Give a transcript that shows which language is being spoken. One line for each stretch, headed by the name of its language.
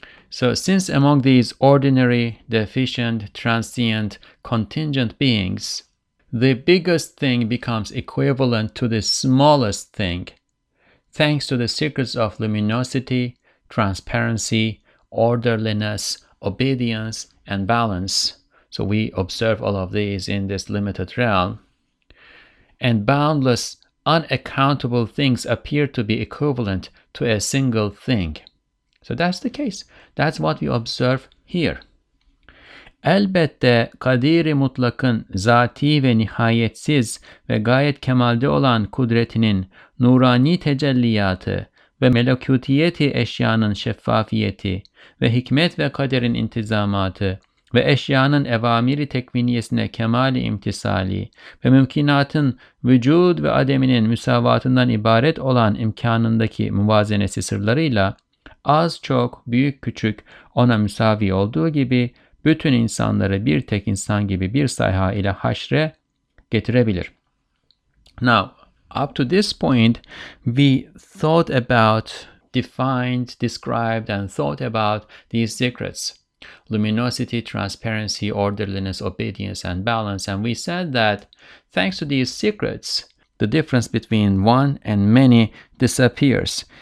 English: So since among these ordinary, deficient, transient, contingent beings, the biggest thing becomes equivalent to the smallest thing, thanks to the secrets of luminosity, transparency, orderliness, obedience, and balance. So we observe all of these in this limited realm. And boundless, unaccountable things appear to be equivalent to a single thing. So that's the case. That's what we observe here.
Turkish: Elbette Kadir-i Mutlak'ın zati ve nihayetsiz ve gayet kemalde olan kudretinin nurani tecelliyatı ve melekutiyeti eşyanın şeffafiyeti ve hikmet ve kaderin intizamatı ve eşyanın evamiri tekviniyesine kemali imtisali ve mümkinatın vücud ve ademinin müsavatından ibaret olan imkanındaki muvazenesi sırlarıyla az çok, büyük küçük, ona müsavi olduğu gibi bütün insanları bir tek insan gibi bir sayha ile haşre getirebilir.
English: Now, up to this point, we thought about, defined, described, and thought about these secrets. Luminosity, transparency, orderliness, obedience, and balance. And we said that thanks to these secrets, the difference between one and many disappears.